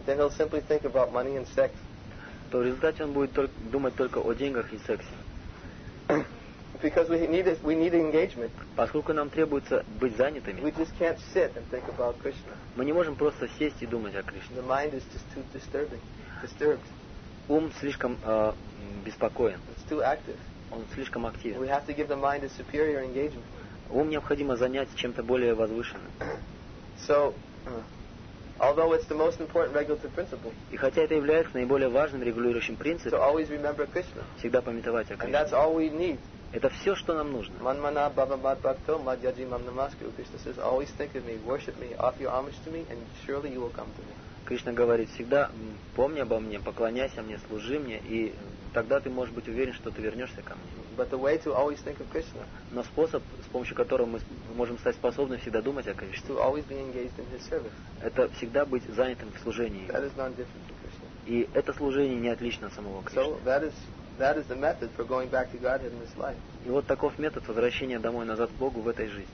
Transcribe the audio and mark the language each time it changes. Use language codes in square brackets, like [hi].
[en] then he'll simply think about money and sex. [ru] То в результате он будет думать только о деньгах и сексе. [en] Because we need engagement. [ru] Поскольку нам требуется быть занятыми. [en] We just can't sit and think about Krishna. [ru] Мы не можем просто сесть и думать о Кришне. [en] The mind is just too disturbed. [ru] Ум слишком беспокоен. [en] It's too active. [ru] Он слишком активен. [en] We have to give the mind a superior engagement. [ru] Ум необходимо занять чем-то более возвышенным. [en] So, although it's the most important regulative principle, [ru] и хотя это является наиболее важным регулирующим принципом, [en] to always remember Krishna. [ru] Всегда памятовать о Кришне. [en] And that's all we need. [ru] Это все, что нам нужно. [sa] Манмана баба мад бхакто мадьяджи мам намаскару. [en] Krishna says, always think of me, worship me, offer your homage to me, and surely you will come to me. [ru] Кришна говорит, всегда помни обо мне, поклоняйся мне, служи мне, и тогда ты можешь быть уверен, что ты вернешься ко мне. [en] But the way to always think of Krishna. [ru] Но способ, с помощью которого мы можем стать способны всегда думать о Кришне. [en] To always be engaged in his service. [ru] Это всегда быть занятым в служении. [en] That is non-different to Krishna. [ru] И это служение не отлично от самого Кришны. [en] So that is the method for going back to Godhead in this life. [ru] И вот таков метод возвращения домой назад к Богу в этой жизни.